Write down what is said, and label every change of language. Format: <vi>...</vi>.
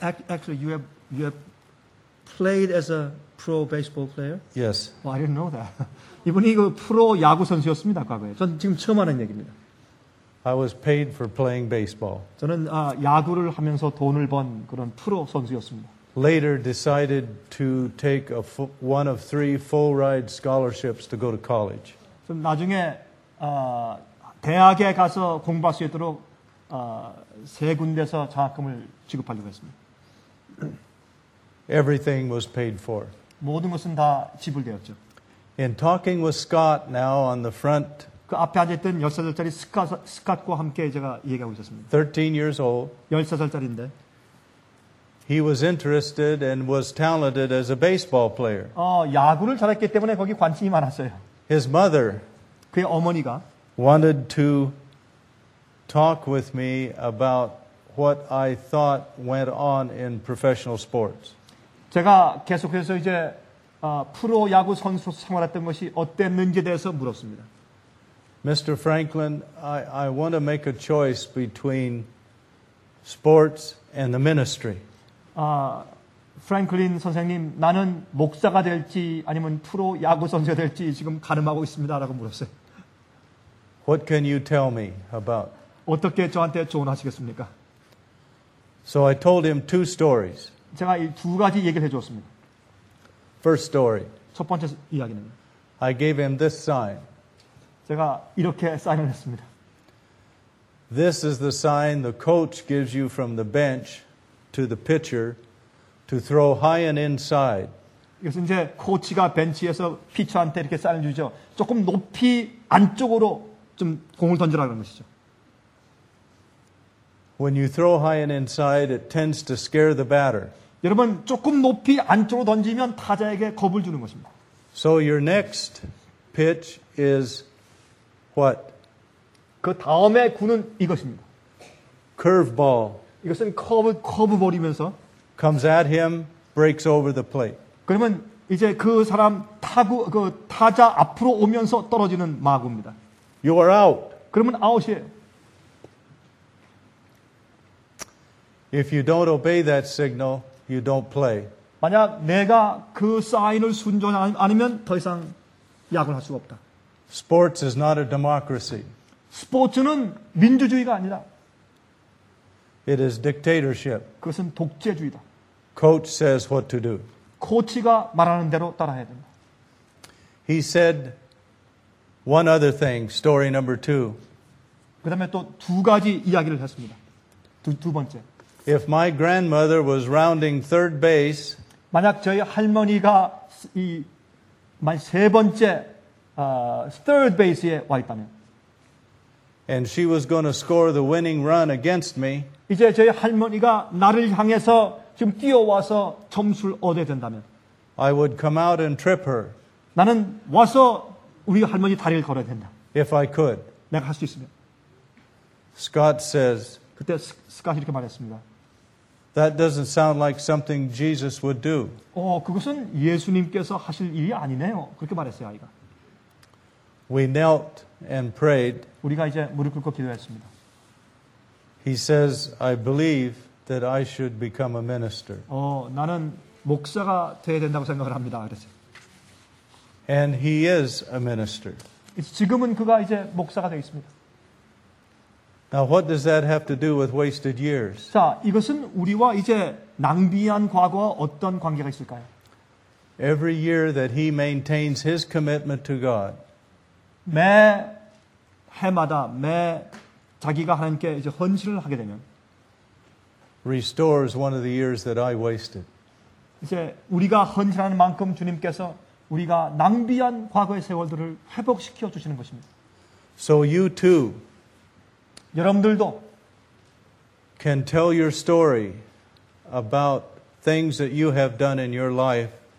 <en>Actually, you have played as a pro baseball player? Yes. Well, I didn't know that.</en> <ko>이분이 그 프로 야구 선수였습니다, 과거에. 전 지금 처음 하는 얘기입니다.</ko> <en>I was paid for playing baseball.</en> <ko>저는 야구를 하면서 돈을 번 그런 프로 선수였습니다.</ko> <en>Later decided to take one of three full ride scholarships to go to college.</en> <ko>좀 나중에 대학에 가서 공부할 수 있도록 세 군데서 장학금을 지급하려고 했습니다.</ko> <en>Everything was paid for.</en> <ko>모든 것은 다 지불되었죠.</ko> <en>In talking with Scott now on the front</en> <ko>그 앞에 앉았던 13살짜리 스캇과 함께 제가 얘기하고 있었습니다.</ko> <en>13 years old.</en> <ko>13살짜리인데.</ko> <en>He was interested and was talented as a baseball player.</en> <ko>야구를 잘했기 때문에 거기 관심이 많았어요.</ko> <en>His mother</en> <ko>그의 어머니가</ko> <en>wanted to talk with me about what I thought went on in professional sports.</en> <ko>제가 계속해서 이제 프로 야구 선수 생활했던 것이 어땠는지에 대해서 물었습니다.</ko> <en>Mr. Franklin, I want to make a choice between sports and the ministry.</en> <ko>Franklin 선생님, 나는 목사가 될지 아니면 프로 야구 선수가 될지 지금 가늠하고 있습니다라고 물었어요.</ko> <en>What can you tell me about?</en> <ko>어떻게 저한테 조언하시겠습니까?</ko> <en>So I told him two stories.</en> <ko>제가 이 두 가지 얘기를 해 주었습니다.</ko> <en>First story.</en> <ko>첫 번째 이야기는</ko> <en>I gave him this sign.</en> <ko>제가 이렇게 사인을 했습니다.</ko> <en>This is the sign the coach gives you from the bench to the pitcher to throw high and inside.</en> <ko>이것은 이제 코치가 벤치에서 피처한테 이렇게 사인을 주죠. 조금 높이 안쪽으로 좀 공을 던지라는 것이죠.</ko> <en>When you throw high and inside, it tends to scare the batter.</en> <ko>여러분 조금 높이 안쪽으로 던지면 타자에게 겁을 주는 것입니다.</ko> <en>So your next pitch is What?</en> <ko>그 다음에 구는 이것입니다.</ko> <en>Curve ball.</en> <ko>이것은 커브 버리면서</ko> <en>comes at him, breaks over the plate.</en> <ko>그러면 이제 그 사람 타자 앞으로 오면서 떨어지는 마구입니다.</ko> <en>You are out.</en> <ko>그러면 아웃이에요.</ko> <en>If you don't obey that signal, you don't play.</en> <ko>만약 내가 그 사인을 순종하지 않으면 더 이상 야구를 할 수가 없다.</ko> <en>Sports is not a democracy.</en> <ko>스포츠는 민주주의가 아니다.</ko> <en>It is dictatorship.</en> <ko>그것은 독재주의다.</ko> <en>Coach says what to do.</en> <ko>코치가 말하는 대로 따라해야 된다.</ko> <en>He said one other thing, story number two.</en> <ko>그 다음에 또 두 가지 이야기를 했습니다. 두 번째.</ko> <en>If my grandmother was rounding third base.</en> <ko>만약 저희 할머니가 세 번째 third base에 와 있다면.</ko> <en>And she was going to score the winning run against me.</en> <ko>이제 저희 할머니가 나를 향해서 지금 뛰어와서 점수를 얻어야 된다면.</ko> <en>I would come out and trip her.</en> <ko>나는 와서 우리 할머니 다리를 걸어야 된다.</ko> <en>If I could.</en> <ko>내가 할 수 있으면.</ko> <en>Scott says,</en> <ko>그때 스캇이 이렇게 말했습니다.</ko> <en>That doesn't sound like something Jesus would do.</en> <ko>그것은 예수님께서 하실 일이 아니네요. 그렇게 말했어요, 아이가.</ko> <en>We knelt and prayed.</en> <ko>우리가 이제 무릎 꿇고 기도했습니다.</ko> <en>He says, I believe that I should become a minister.</en> <ko>나는 목사가 돼야 된다고 생각을 합니다. 그랬어요.</ko> <en>And he is a minister.</en> <ko>지금은 그가 이제 목사가 되어 있습니다.</ko> <en>Now, what does that have to do with wasted years?</en> <ko>자, 이것은 우리와 이제 낭비한 과거와 어떤 관계가 있을까요?</ko> <en>Every year that he maintains his commitment to God.</en> <ko>매 해마다 매 자기가 하나님께 이제 헌신을 하게 되면</ko> <en>restores one of the years that I wasted.</en> <ko>이제 우리가 헌신하는 만큼 주님께서 우리가 낭비한 과거의 세월들을 회복시켜 주시는 것입니다.</ko> <en>So you too.</en> <ko>여러분들도</ko> <en>can tell your story about things that you have done in your life.</en>